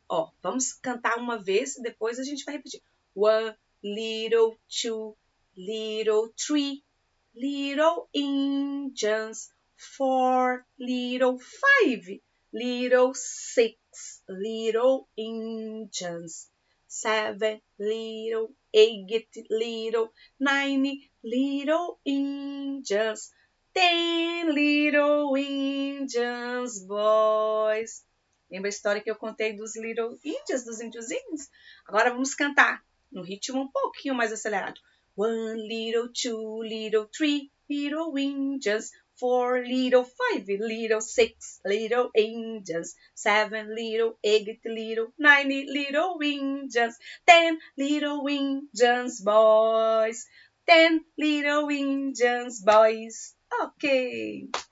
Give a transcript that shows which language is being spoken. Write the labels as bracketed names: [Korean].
[Portuguese] Ó, vamos cantar uma vez e depois a gente vai repetir. [English] One, little, two. Little tree, little Indians, four, little five, little six, little Indians, seven, little eight, little nine, little Indians, 10 little Indians, boys. [Portuguese] Lembra a história que eu contei dos little Indians, dos indiozinhos? Agora vamos cantar no ritmo um pouquinho mais acelerado. One little, two little, three, [English] little angels, four little, five little, six little angels, seven little, eight little, nine little angels, ten little angels, boys, ten little angels, boys. Ok.